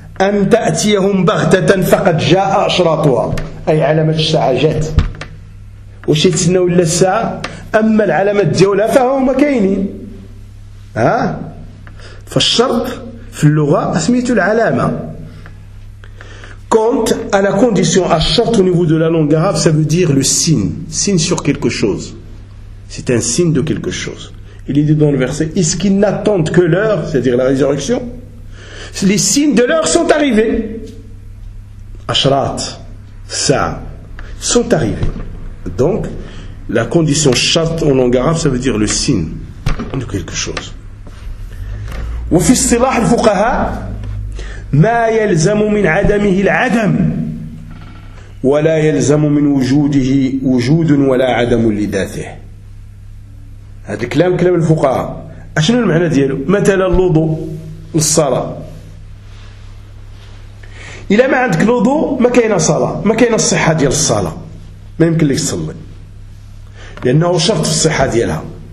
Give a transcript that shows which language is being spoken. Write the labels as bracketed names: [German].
[Arabic] أم تأتيهم بغتة فقد جاء أشراطها، أي علامة الساعة جات وش يتسناو إلا الساعة، أما العلامات ديالها فهما كاينين. ها فالشرط في اللغة سميتو العلامة. [French] كونت à la condition، الشرط au niveau de la langue arabe ça veut dire le signe، signe sur quelque chose، c'est un signe de quelque chose. Il est dit dans le verset est-ce qu'ils n'attendent que l'heure، c'est-à-dire la résurrection، les signes de l'heure sont arrivés. Ashrat ça sont arrivés. Donc la condition shart en langue arabe ça veut dire le signe de quelque chose. [Arabic] وفي اصطلاح الفقهاء ما يلزم من عدمه العدم ولا يلزم من وجوده وجود ولا عدم لذاته. هذا كلام كلام الفقهاء. اشنو المعنى ديالو؟ مثلا الوضوء للصلاه، الى ما عندك الوضوء ما كاينه صلاه، ما كاينه الصحه ديال الصلاه، ما يمكن لك تصلي لانه شرط في الصحه ديالها.